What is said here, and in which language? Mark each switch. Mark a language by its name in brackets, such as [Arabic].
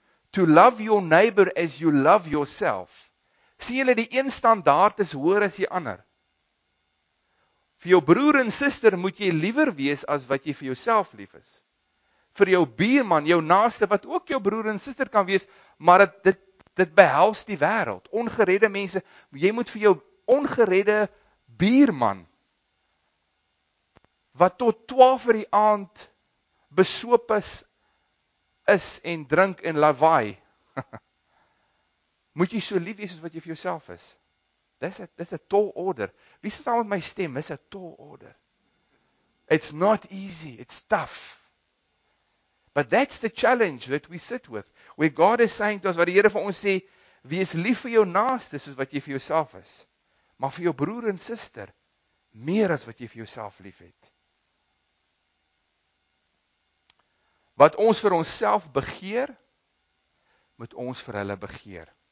[English] To love your neighbor as you love yourself. [Afrikaans] Sien julle, die een standaard is hoër as die ander. Vir jou broer en suster moet jy liewer wees as wat jy vir jouself lief is. Vir jou buurman, jou naaste, wat ook jou broer en suster kan wees, maar dit behels die wêreld. Ongeredde mense, jy moet vir jou ongeredde buurman, wat tot 12 vir die aand besoop is en drink en lawaai, moet jy so lief wees as wat jy vir jouself is. Dis a tall order. Wie sê saam met my stem, is a tall order. [English] It's not easy, it's tough. But that's the challenge that we sit with. Where God is saying to us, [Afrikaans] wat die Here vir ons sê, wees lief vir jou naaste soos wat jy vir jouself is. Maar vir jou broer en suster, meer as wat jy vir jouself lief het. Wat ons vir onsself begeer, moet ons vir hulle begeer.